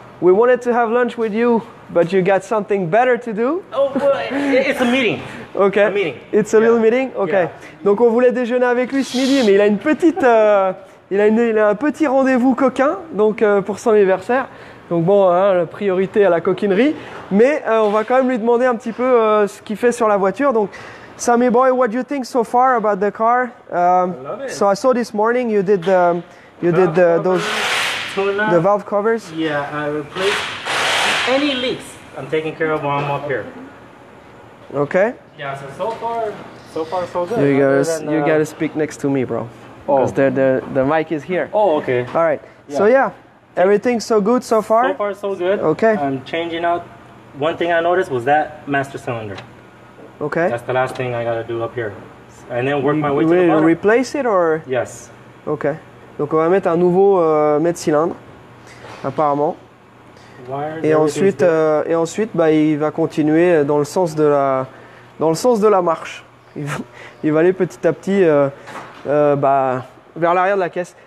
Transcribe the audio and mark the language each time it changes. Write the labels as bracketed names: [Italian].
[English] We wanted to have lunch with you, but you got something better to do. Oh, well, it's a meeting. Okay. A meeting. It's a little meeting. Okay. Yeah. [French] Donc on voulait déjeuner avec lui ce midi, mais il a une petite, il a un petit rendez-vous coquin, donc pour son anniversaire. Donc bon, la priorité à la coquinerie, mais on va quand même lui demander un petit peu ce qu'il fait sur la voiture. Donc [English] Sammy Boy, what do you think so far about the car? I love it. So I saw this morning you did the the valve covers. Yeah, I replaced any leaks. I'm taking care of while I'm up here. Okay. Yeah. So far, so good. You gotta speak next to me, bro. Oh. Because the mic is here. Oh, okay. All right. Yeah. So yeah, everything's so good so far. So far, so good. Okay. I'm changing out. One thing I noticed was that master cylinder. Okay. That's the last thing I gotta do up here, and then work my way to the bottom. Replace it or? Yes. Okay. [French] Donc on va mettre un nouveau mètre cylindre, apparemment. Et ensuite, il va continuer dans le sens de la marche. Il va aller petit à petit vers l'arrière de la caisse.